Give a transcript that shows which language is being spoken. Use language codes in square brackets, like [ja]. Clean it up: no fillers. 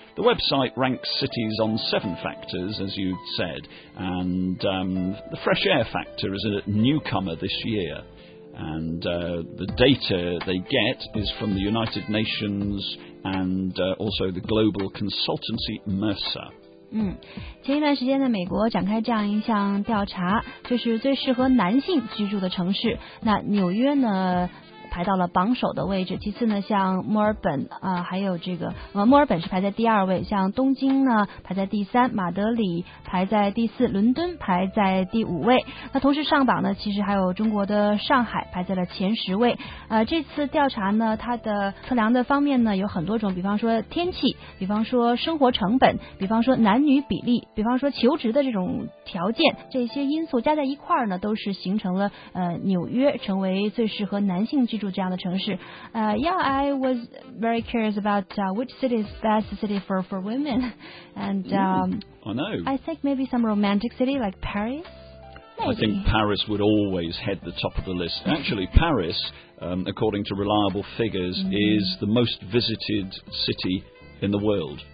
[en] The website ranks cities on seven factors, as you said, and the fresh air factor is a newcomer this year. And the data they get is from the United Nations and also the global consultancy Mercer. [zh] 前一段时间在美国展开这样一项调查，就是最适合男性居住的城市。那纽约呢，排到了榜首的位置，其次呢像墨尔本啊、还有这个墨尔本是排在第二位，像东京呢排在第三，马德里排在第四，伦敦排在第五位。那同时上榜呢其实还有中国的上海排在了前十位。这次调查呢它的测量的方面呢有很多种，比方说天气，比方说生活成本，比方说男女比例，比方说求职的这种条件，这些因素加在一块儿呢都是形成了纽约成为最适合男性居住这样的城市。 [en] Yeah, I was very curious about which city is best city for women. And I think maybe some romantic city like Paris. Maybe. I think Paris would always head the top of the list. Actually, Paris, according to reliable figures, is the most visited city in the world.